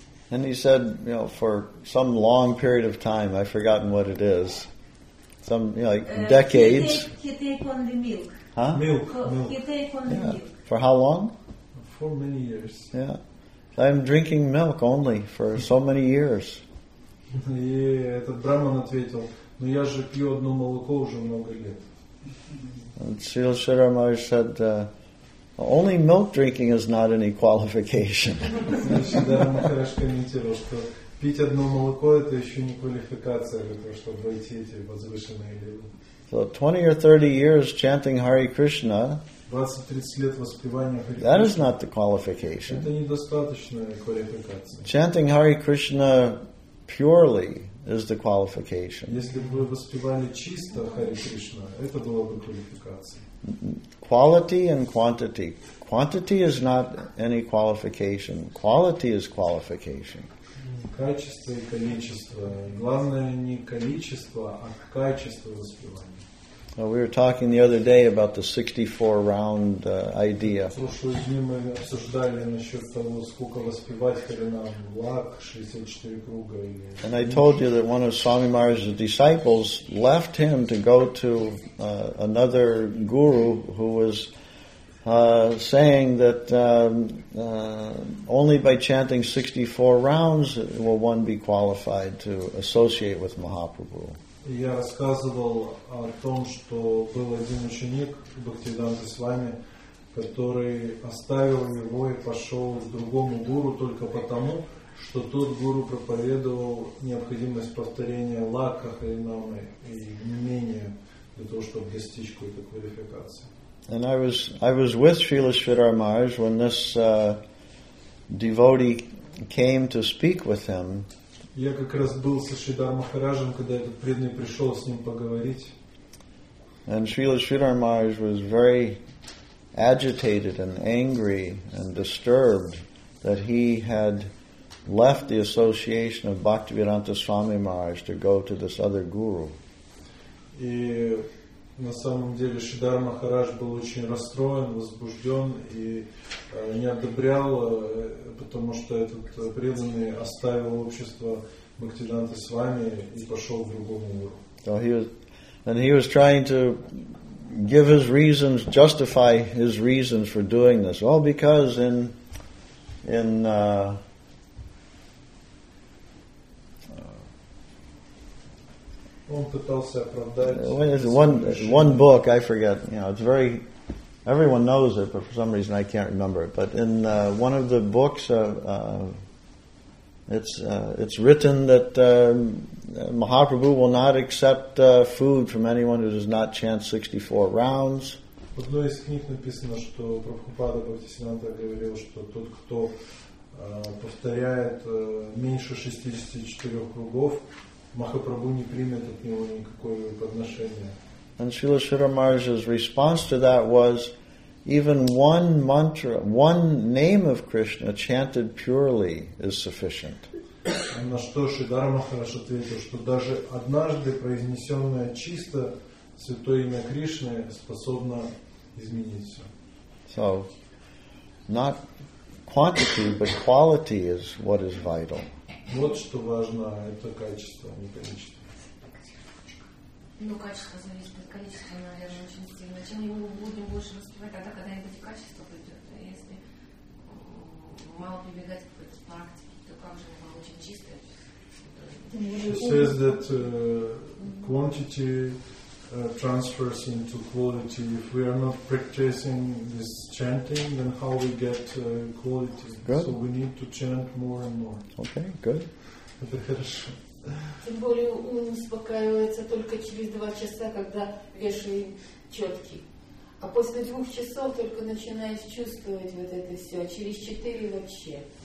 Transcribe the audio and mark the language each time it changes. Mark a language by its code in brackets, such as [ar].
[en] And he said, you know, for some long period of time, I've forgotten what it is. Some, you know, like decades. He take on the milk. Huh? Milk. He take on the milk. For how long? For many years. Yeah. I'm drinking milk only for so many years. [ru] И этот Брахман ответил, но я же пью одно молоко уже много лет. [en] Srila Sridhara Maharaj said, only milk drinking is not any qualification. [ru] Sridhara Maharaj комментировал, что пить одно молоко это еще не квалификация для того, чтобы войти эти возвышенные люди. [en] So 20 or 30 years chanting Hare Krishna, [ru] 20-30 лет воспевания Hare [en] Krishna, that is not the qualification. [ru] Это недостаточная квалификация. [en] Chanting Hare Krishna purely is the qualification. [ru] Если бы вы воспевали чисто Хари Кришна, это была бы квалификация. [en] Quality and quantity. Quantity is not any qualification. Quality is qualification. [ru] Качество и количество. Главное не количество, а качество воспевания. [en] So we were talking the other day about the 64 round idea. [ru] В прошлый день мы обсуждали насчет того, сколько воспевать харинам, лак, 64 круга. [en] And I told you that one of Swami Maharaj's disciples left him to go to another guru who was saying that only by chanting 64 rounds will one be qualified to associate with Mahaprabhu. [ru] Я рассказывал о том, что был один ученик Бхактивиданта Свами, который оставил его и пошел к другому гуру только потому, что тот гуру проповедовал необходимость повторения лака харинамы и не менее для того, чтобы достичь какой-то квалификации. [en] And I was with Srila Sridhara Maharaj when this devotee came to speak with him. [ru] Я как раз был со Шридхар Махараджем, когда этот преданный пришел с ним поговорить. [en] And Srila Sridhar Maharaj was very agitated and angry and disturbed that he had left the association of Bhaktivedanta Swami Maharaj to go to this other guru. [ru] И на самом деле Шридхар Махарадж был очень расстроен, возбужден и не одобрял, потому что этот преданный оставил общество Бхактивиданты с вами и пошел в другому гуру. [en] And he was trying to give his reasons, justify his reasons for doing this. All because one book, I forget, you know, it's very, everyone knows it, but for some reason I can't remember it. But in one of the books, it's written that Mahaprabhu will not accept food from anyone who does not chant 64 rounds. [ru] В одной из книг написано, что Прабхупада Бхактисиддханта говорил, что тот, кто повторяет меньше 64 кругов, Махапрабху не примет от него никакого подношения. [en] And Srila Sridhara Maharaj's response to that was, even one mantra, one name of Krishna chanted purely is sufficient. [ru] На что Шридхар Махарадж ответил, что даже однажды произнесенное чисто святое имя Кришны способно изменить все. [en] So, not quantity, but quality is what is vital. [ru] Вот что важно, это качество, не количество. Ну, качество зависит от количества, наверное, очень сильно. Чем мы будем больше воспевать, тогда когда-нибудь качество придет. Если мало прибегать к какой-то практике, то как же оно очень чистое? [en] She says that quantity transfers into quality. If we are not practicing this chanting, then how we get quality? Good. So we need to chant more and more. Okay, good. [ru] Это хорошо. Тем более ум успокаивается только через 2 часа, когда вешаем четки. А после 2 часов только начинаешь чувствовать вот это все, а через 4 вообще.